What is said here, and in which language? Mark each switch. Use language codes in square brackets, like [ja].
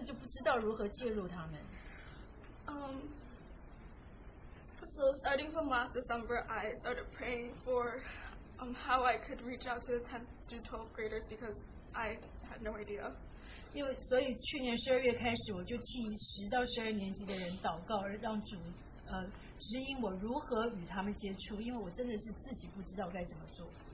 [zh] 那对我来说，这是最难沟通的一个年龄层，因为我根本就不知道如何介入他们。 [en] So starting from last December, I started praying for how I could reach out to the 10th through 12th graders because I had no idea. [zh] 所以去年12月开始，我就替10到12年级的人祷告，让主。指引我如何与他们接触，因为我真的是自己不知道该怎么做。